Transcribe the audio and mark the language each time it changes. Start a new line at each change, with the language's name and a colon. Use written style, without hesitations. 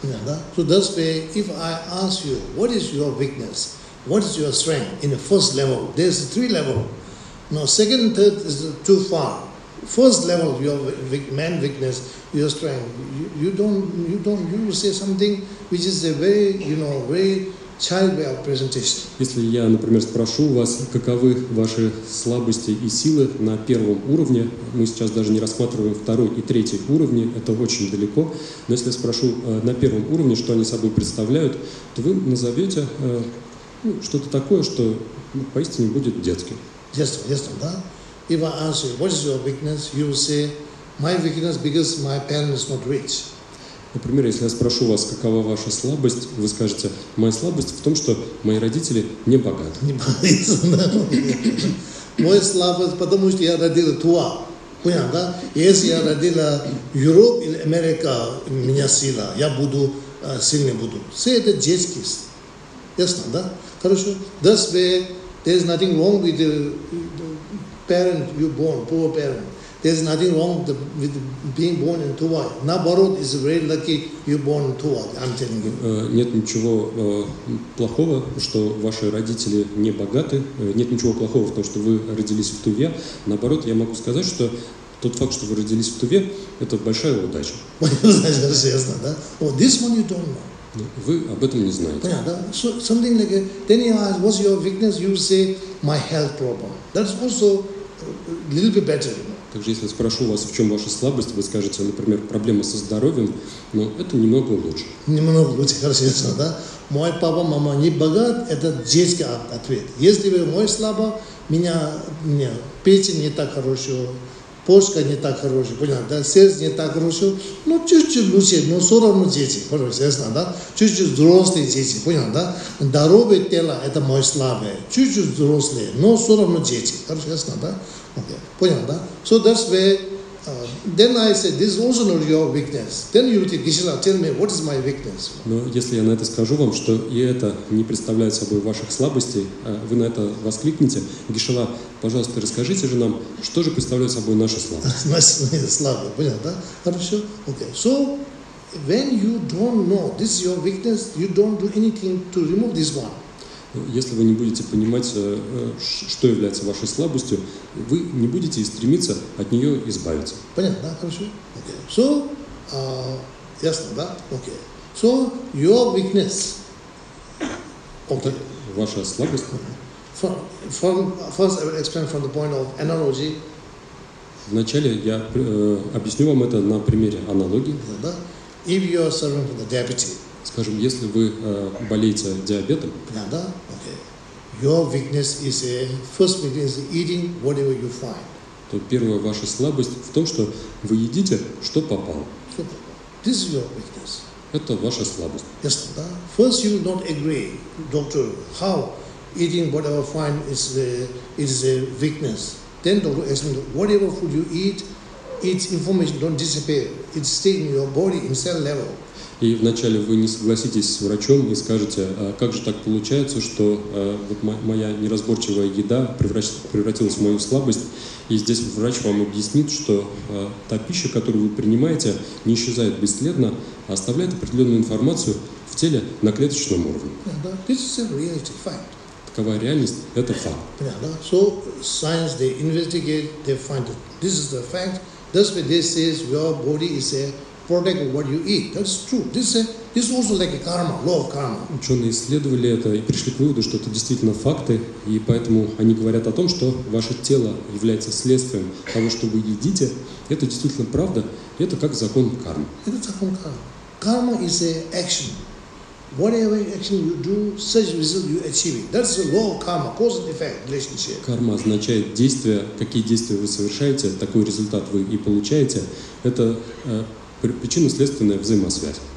English: Yeah,
Russian: да?
English: So that's why if I ask you, what is your weakness, what is your strength in the first level, there's three levels. Now second and third is too far. First level, your man weakness, your strength. You say something which is a very, you know, very child way of presentation.
Russian: Если я, например, спрошу вас, каковы ваши слабости и силы на первом уровне, мы сейчас даже не рассматриваем второй и третий уровни, это очень далеко. Но если я спрошу на первом уровне, что они собой представляют, то вы назовете что-то такое, что поистине будет детским. Детство, да?
English: If I ask you, what is your weakness, you will say, my weakness because my parents are not rich.
Russian: Например, если я спрошу вас, какова ваша слабость, вы скажете, моя слабость в том, что мои родители не богаты. Не богаты, да. Моя слабость, потому что я родила туа. Понятно, да? Если я родила Европа или Америка, у меня сила, я буду, сильный буду. Все это детские. Ясно, да? Хорошо.
English: That's where there is nothing wrong with the parent you born, poor parent. There's nothing wrong with being born in Tuva.
Russian: Наоборот,
English: it's very lucky you born in Tuva, I'm telling you.
Russian: Нет ничего плохого, что ваши родители не богаты. Нет ничего плохого в том, что вы родились в Туве. Наоборот, я могу сказать, что тот факт, что вы родились в Туве, это большая удача. Ясно, да?
English: Well, this one you don't know.
Russian: Вы об этом не знаете. Понятно?
English: So something like a, then you ask, what's your weakness? You say, my health problem. That's also a little bit better.
Russian: Также если я спрошу вас, в чем ваша слабость, вы скажете, например, проблема со здоровьем, но это немного лучше. Немного лучше, конечно, да? Мой папа, мама не богат, это детский ответ. Если вы мой слабо, меня не, печень не так хорошая, почка не так хорошая, понятно, да? Сердце не так хорошее, но чуть-чуть лучше, но все равно дети, понятно, да? Чуть-чуть взрослые дети, понятно, да? Здоровое тело – это мое слабое, чуть-чуть взрослые, но все равно дети, конечно, да?
English: Okay.
Russian: Понял, да?
English: So that's where, then I said, this is also not your weakness. Then you think, Кришна, tell me, what is my weakness?
Russian: Но если я на это скажу вам, что и это не представляет собой ваших слабостей, вы на это воскликнете, Кришна, пожалуйста, расскажите же нам, что же представляет собой наша слабость? Наша слабость, понял, да? Хорошо?
English: Okay. So, when you don't know this is your weakness, you don't do anything to remove this one.
Russian: Если вы не будете понимать, что является вашей слабостью, вы не будете стремиться от нее избавиться. Понятно, да? Хорошо?
English: Okay.
Russian: So, ясно, да? Okay.
English: So, your weakness. Okay.
Russian: Ваша слабость?
English: First, I will explain from the point of analogy.
Russian: Вначале я объясню вам это на примере аналогии. Да?
English: If you are suffering from the diabetes.
Russian: Скажем, если вы болеете диабетом, да?
English: Okay. Your weakness is a, first weakness is eating whatever you find.
Russian: То первая ваша слабость в том, что вы едите, что попало. Что попало?
English: This is your weakness.
Russian: Это ваша слабость.
English: Yes,
Russian: да?
English: First you not agree, doctor, how eating whatever find is a weakness. Then doctor asks me, whatever food you eat, its information don't disappear, it stay in your body in cell level. И вначале вы не согласитесь с врачом и скажете, а как же так получается, что вот моя неразборчивая еда превратилась в мою слабость, и здесь врач вам объяснит, что та пища, которую вы принимаете, не исчезает бесследно, а оставляет определенную информацию в теле на клеточном уровне. Yeah, this is a reality, fine. Такова реальность, это факт. Yeah,
Russian: да.
English: So science, they investigate, they find it. This is the fact. That's why they say your body is a protect what you eat. That's true. This is also like a karma, law of karma.
Russian: Ученые исследовали это и пришли к выводу, что это действительно факты, и поэтому они говорят о том, что ваше тело является следствием того, что вы едите. Это действительно правда, и это как закон кармы. Это закон кармы.
English: Karma is a action. Whatever action you do, such result you achieve it. That's the law of karma, cause and effect relationship.
Russian: Карма означает действие, какие действия вы совершаете, такой результат вы и получаете. Это причинно-следственная взаимосвязь.